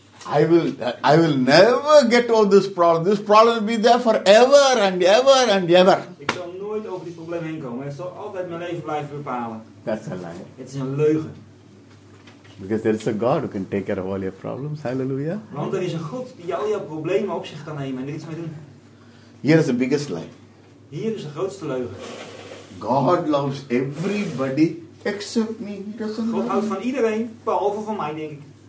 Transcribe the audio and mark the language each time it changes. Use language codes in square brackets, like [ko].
[en] I will never get over this problem. This problem will be there forever and ever and ever. [nl] Ik zal nooit over dit probleem heen komen. Ik zal altijd mijn leven blijven bepalen. [en] That's a lie. [nl] Het is een leugen. [en] Because there is a God who can take care of all your problems. Hallelujah. [nl] Want er is een God die al jouw problemen op zich kan nemen en er iets mee doen. [en] Here is the biggest lie. [nl] Hier is de grootste leugen. [en] God loves everybody except me. [nl] God houdt van iedereen, behalve van mij, denk ik.